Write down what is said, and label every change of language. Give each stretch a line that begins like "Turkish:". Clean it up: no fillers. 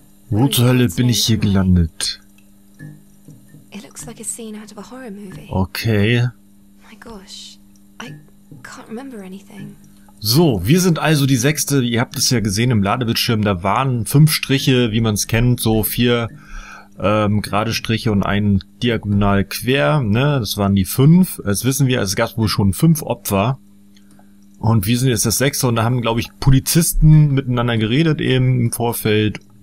German: Wo zur Hölle bin ich hier gelandet?
English: It looks like a scene out of a horror movie. Okay. My gosh. I can't remember anything.
German: So, wir sind also die sechste. Ihr habt es ja gesehen im Ladebildschirm. Da waren 5 Striche, wie man es kennt. So 4 gerade Striche und ein diagonal quer. Ne, das waren die 5. Das wissen wir, es gab wohl schon 5 Opfer. Und wir sind jetzt das sechste. Und da haben, glaube ich, Polizisten miteinander geredet eben im Vorfeld.